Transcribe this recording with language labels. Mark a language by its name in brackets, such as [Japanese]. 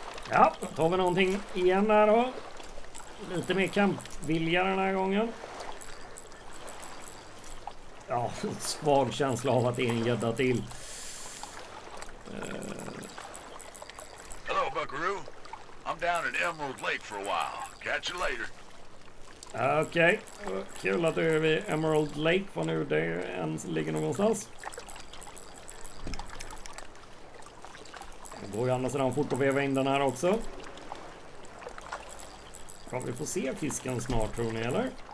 [Swedish] Ja, tar vi någonting igen här då. Lite mer kampvilja den här gången. Ja, svag känsla av att det är en gädda till. [English] Hello, Buckaroo. I'm down at Emerald Lake for a while. Catch you later. Okej, okay. [Swedish] Kul att du är vid Emerald Lake. Var nu det än ligger någonstans. Det går ju annars redan fort att veva in den här också. Kan vi få se fisken snart, tror ni, eller?